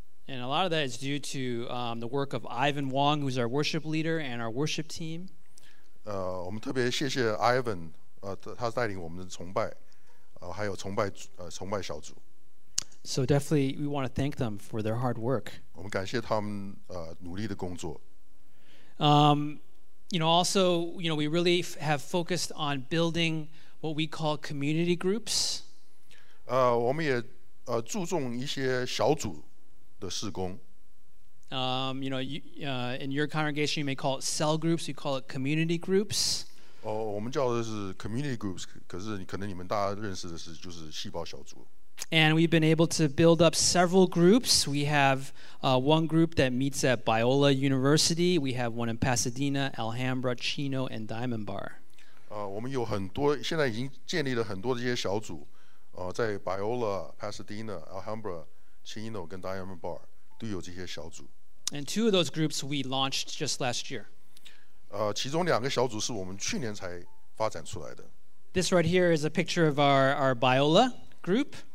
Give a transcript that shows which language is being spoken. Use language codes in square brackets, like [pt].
[en] And a lot of that is due to the work of Ivan Wong, who's our worship leader and our worship team. [zh] 我们特别谢谢 Ivan, 他带领我们的崇拜，还有崇拜小组。 [en] So definitely we want to thank them for their hard work. [zh] 我们感谢他们, 努力的工作。 [en] You know, also, you know, we really have focused on building what we call community groups. [zh] 我们也注重一些小组的事工。 [en] You know, in your congregation, you may call it cell groups, you call it community groups. [zh] 我们叫的是 community groups， 可是可能你们大家认识的是就是细胞小组。 [en] And we've been able to build up several groups. We have one group that meets at Biola University. We have one in Pasadena, Alhambra, Chino, and Diamond Bar. [zh] 我们有很多现在已经建立了很多这些小组， 在 Biola, Pasadena, Alhambra, Chino, and Diamond Bar 都有这些小组。 [en] And two of those groups we launched just last year. [zh] 其中两个小组是我们去年才发展出来的。 [en] This right here is a picture of our Biola group.